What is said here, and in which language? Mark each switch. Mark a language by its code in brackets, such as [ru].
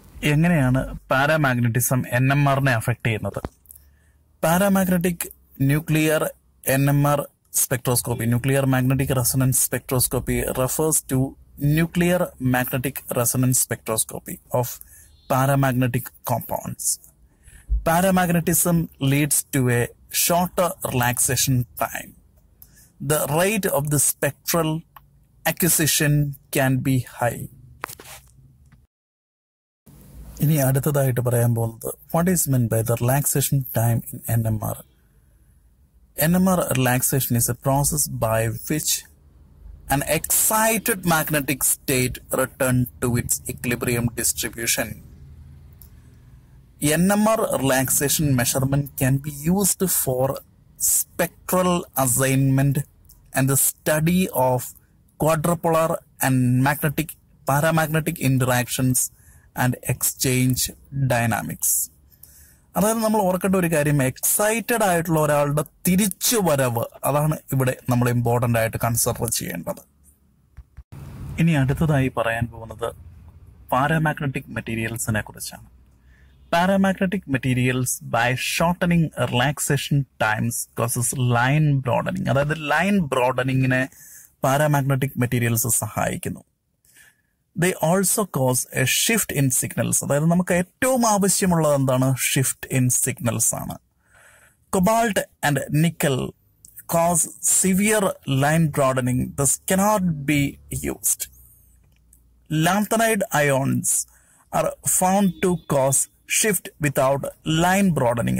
[ml] എങ്ങനെയാണ് paramagnetism NMRനെ affect ചെയ്യുന്നത്? [en] Paramagnetic nuclear NMR spectroscopy, nuclear magnetic resonance spectroscopy refers to nuclear magnetic resonance spectroscopy of paramagnetic compounds. Paramagnetism leads to a shorter relaxation time. The rate of the spectral acquisition can be high. [ml] ഇനി അടുത്തതായിട്ട് പറയാൻ പോകുന്നത് [en] What is mean by the relaxation time in N M R. N M R relaxation is a process by which an excited magnetic state return to its equilibrium distribution. N M R relaxation measurement can be used for spectral assignment and the study of quadrupolar and magnetic paramagnetic interactions and exchange dynamics. [ml] അതായത് നമ്മൾ ഓർക്കേണ്ട ഒരു കാര്യം, excited ആയിട്ടുള്ള ഒരാളുടെ തിരിച്ചു വരവ്, അതാണ് ഇവിടെ നമ്മൾ ഇമ്പോർട്ടൻ്റ് ആയിട്ട് കൺസിഡർ ചെയ്യേണ്ടത്. ഇനി അടുത്തതായി പറയാൻ പോകുന്നത് പാരാമാഗ്നറ്റിക് മെറ്റീരിയൽസിനെ കുറിച്ചാണ്. [en] Paramagnetic materials by shortening relaxation times causes line broadening. [ml] അതായത് ലൈൻ ബ്രോഡനിങ്ങിനെ പാരാമാഗ്നറ്റിക് മെറ്റീരിയൽസ് സഹായിക്കുന്നു. [en] They also cause a shift in signals. [ml] അതായത് നമുക്ക് ഏറ്റവും ആവശ്യമുള്ളത് എന്താണ്? ഷിഫ്റ്റ് ഇൻ സിഗ്നൽസ് ആണ്. [en] Cobalt and nickel cause severe line broadening, thus cannot be used. Lanthanide ions are found to cause shift without line broadening.